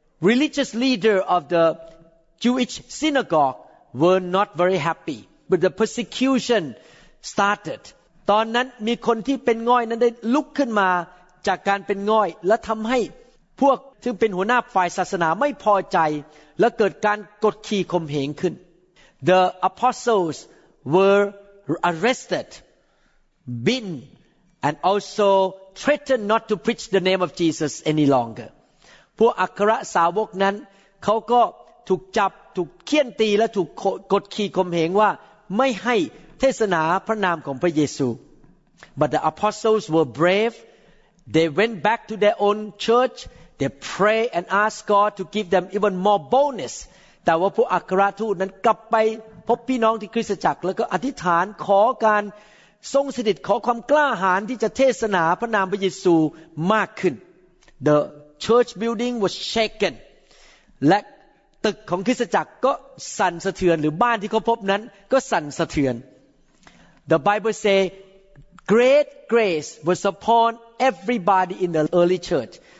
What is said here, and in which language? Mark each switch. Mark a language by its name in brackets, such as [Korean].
[English] religious leader of the Jewish synagogue were not very happy but the persecution started [Thai] ตอนนั้นมีคนที่เป็นง่อยนั้นได้ลุกขึ้นมาจากการเป็นง่อยและทำใหพวกซึ่งเป็นหัวหน้าฝ่ายศาสนาไม่พอใจแล้วเกิดการกดขี่ข่มเหงขึ้น [English] The apostles were arrested, beaten, and also threatened not to preach the name of Jesus any longer. [Thai] พวกอัครสาวกนั้นเขาก็ถูกจับถูกเคี่ยนตีและถูกกดขี่ข่มเหงว่าไม่ให้เทศนาพระนามของพระเยซู [English] But the apostles were brave. They went back to their own church. They pray and ask God to give them even more boldness. [Thai] แต่ว่าพวกอัครทูตนั้นกลับไปพบพี่น้องที่คริสตจักรแล้วก็อธิษฐานขอการทรงสถิตขอความกล้าหาญที่จะเทศนาพระนามพระเยซูมากขึ้น [English] The church building was shaken. [Thai] และตึกของคริสตจักรก็สั่นสะเทือน [English] หรือบ้านที่เขาพบนั้นก็สั่นสะเทือน The Bible say great grace was upon everybody in the early church.